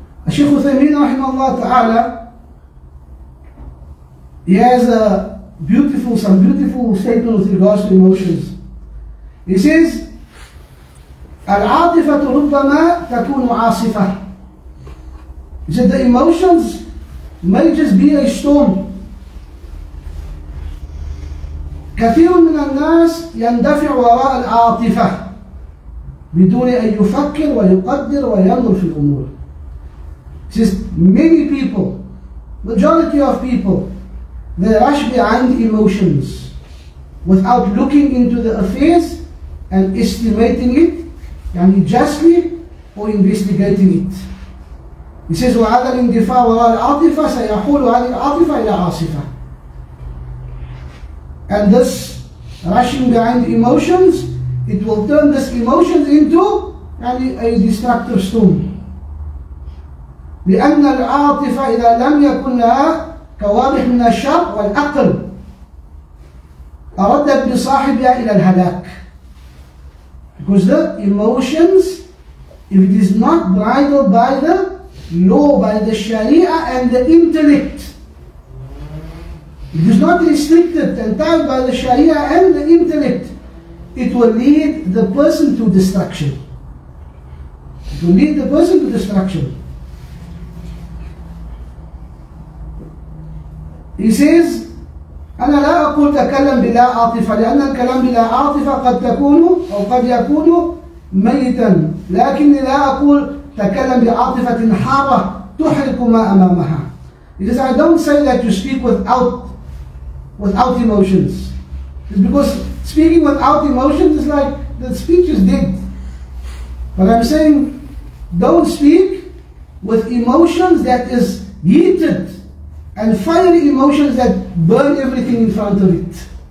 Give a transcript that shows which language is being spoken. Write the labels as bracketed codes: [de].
[en] Sheikh Uthaymeen rahimahullah ta'ala, he has a beautiful statement with regards to emotions. He says, [ar] Al-Aatifatu rubbama takunu aasifa. [en] He said, the emotions may just be a storm. [ar] كثير من الناس يندفع وراء العاطفة بدون أن يفكر ويقدر وينظر في الأمور. [en] Just many people, majority of people, they rush behind emotions without looking into the affairs and estimating it, يعني justly or investigating it. He says, [ar] وعلى الاندفاع وراء العاطفة سيحول عن العاطفة إلى عاصفة. [en] And this rushing behind emotions, it will turn this emotion into a destructive storm. [ar] لِأَنَّ الْعَاطِفَ إِذَا لَمْ يَكُنْ لَهَا كَوَارِحْ مِنَ الشَّرْ وَالْأَقْلِ أَرَدَّتْ بِصَاحِبِهَا إِلَى الْهَلَاكِ. [en] Because the emotions, if it is not bridled by the law, by the sharia and the intellect, it is not restricted and tied by the sharia and the intellect, it will lead the person to destruction. It will lead the person to destruction. He says, [ar] أنا لا أقول تكلم بلا عاطفة لأن الكلام بلا عاطفة قد تكون أو قد يكون ميتا لكني لا أقول تكلم بعاطفة حارة تحرق ما أمامها. [en] He says, I don't say that you speak without emotions. It's because speaking without emotions is like the speech is dead. But I'm saying, don't speak with emotions that is heated and fiery emotions that burn everything in front of it.